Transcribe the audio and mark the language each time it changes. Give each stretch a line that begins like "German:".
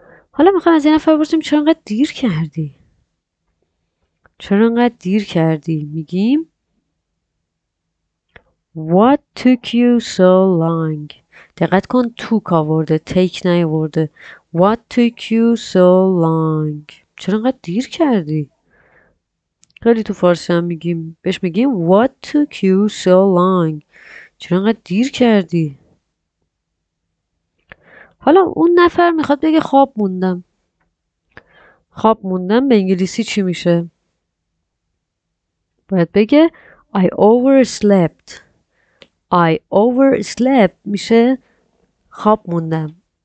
Persian: حالا میخوایم از یه نفر بپرسیم چرا انقدر دیر کردی؟ چرا انقدر دیر کردی؟ میگیم
English: What took you so long?
Persian: دقت کن took آورده. Take نیورده.
English: What took you so long?
Persian: چرا انقدر دیر کردی؟ خیلی تو فارسی هم میگیم. بهش میگیم
English: What took you so long?
Persian: چرا انقدر دیر کردی؟ حالا اون نفر میخواد بگه خواب موندم. خواب موندم به انگلیسی چی میشه؟ باید بگه
English: I overslept. I overslept
Persian: میشه خواب موندم.